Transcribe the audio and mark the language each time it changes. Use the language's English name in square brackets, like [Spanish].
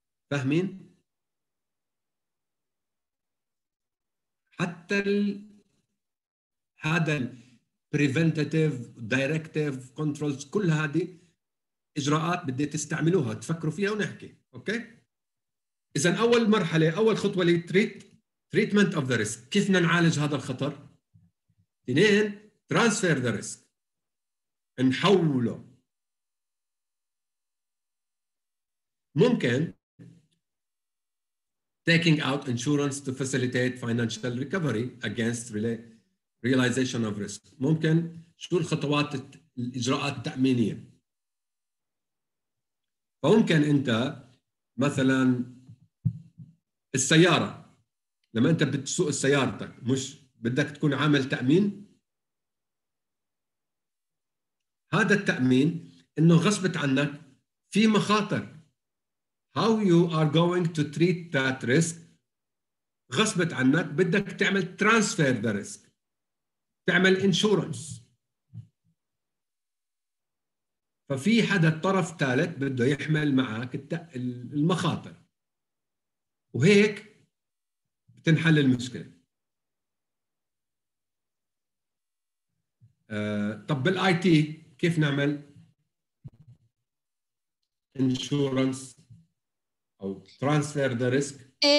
[Arabic] فاهمين؟ حتى هذا [English] preventative directive controls [Arabic] كل هذه إجراءات بدي تستعملوها تفكروا فيها ونحكي. أوكي إذن أول مرحلة أول خطوة لي [English] treatment of the risk، [Arabic] كيف نعالج هذا الخطر؟ اثنين [English] transfer the risk، [Arabic] نحوله. [English] ممكن taking out insurance to facilitate financial recovery against realization of risk. [Arabic] ممكن شو الخطوات الإجراءات التأمينية؟ فممكن أنت مثلا السيارة، لما أنت بتسوق سيارتك مش بدك تكون عامل تأمين؟ هذا التأمين إنه غصبت عنك في مخاطر. [English] How you are going to treat that risk؟ [Arabic] غصبت عنك بدك تعمل [English] transfer the risk، تعمل insurance. [Arabic] ففي حدا طرف ثالث بده يحمل معك المخاطر. وهيك بتنحل المشكلة. [English] طب بالاي تي [Arabic] كيف نعمل [English] Insurance او transfer the risk?